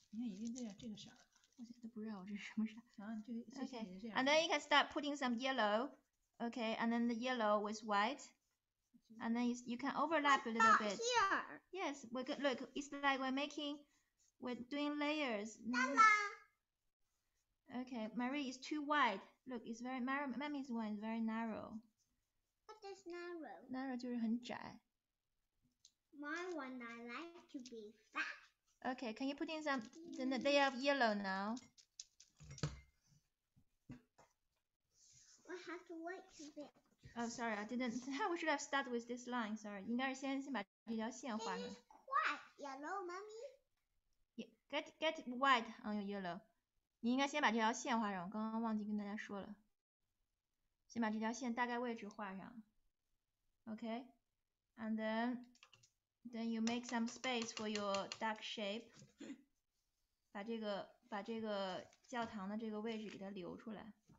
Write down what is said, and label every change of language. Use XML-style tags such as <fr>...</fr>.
<zh>你看已经这样，这个色了。我现在都不知道我这是什么色。啊，这个，</zh> <en>okay. And then you can start putting some yellow. Okay, and then the yellow with white. And then you can overlap a little bit. Here. Yes, we can, look, it's like we're doing layers. Mama. Okay, Marie is too wide. Look, it's very narrow. Mommy's one is very narrow. What is narrow?</en> <zh>Narrow 就是很窄。</zh> <en>My one, I like to be fat. Okay, can you put in some, then the layer of yellow now? We have to wait a bit. Oh, sorry, I didn't. We should have started with this line. Sorry,</en> <zh>应该是先把这条线画上。</zh> <en>It is quite yellow, mommy. Yeah, get white on your yellow.</en> <zh>你应该先把这条线画上。刚刚忘记跟大家说了。先把这条线大概位置画上。</zh> <en>Okay, and then you make some space for your dark shape.</en> <zh>把这个教堂的这个位置给它留出来。</zh>